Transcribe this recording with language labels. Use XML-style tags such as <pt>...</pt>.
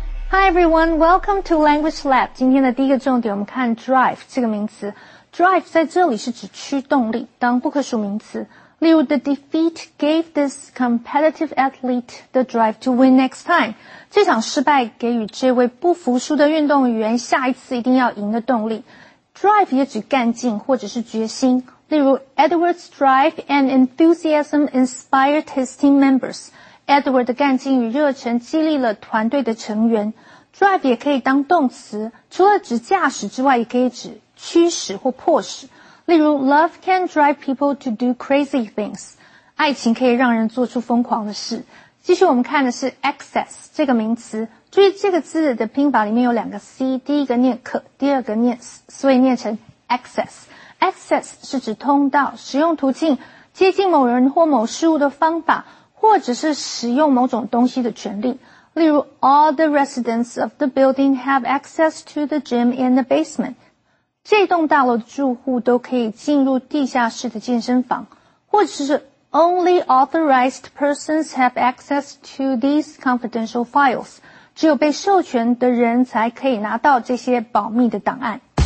<en>Hi everyone, welcome to Language Lab.</en> <zh>今天的第一个重点我们看 drive 这个名词。 drive 在这里是指驱动力，当不可数名词。例如</zh> <en>the defeat gave this competitive athlete the drive to win next time.</en> <zh>这场失败给予这位不服输的运动员下一次一定要赢的动力。 drive 也指干劲或者是决心。例如</zh> <en>Edward's drive and enthusiasm inspired his team members.</en> <zh>Edward 的干劲与热忱激励了团队的成员。 Drive 也可以当动词，除了指驾驶之外，也可以指驱使或迫使。例如</zh> <en>，Love can drive people to do crazy things。</en> <zh>爱情可以让人做出疯狂的事。继续我们看的是 access 这个名词。注意这个字的拼法里面有两个 c， 第一个念可，第二个念 s， 所以念成 access。 access 是指通道、使用途径、接近某人或某事物的方法。或者是使用某种东西的权利。例如</zh> <en>,all the residents of the building have access to the gym and the basement.</en> <zh>这栋大楼的住户都可以进入地下室的健身房。或者是</zh> <en>,only authorized persons have access to these confidential files.</en> <zh>只有被授权的人才可以拿到这些保密的档案。</zh>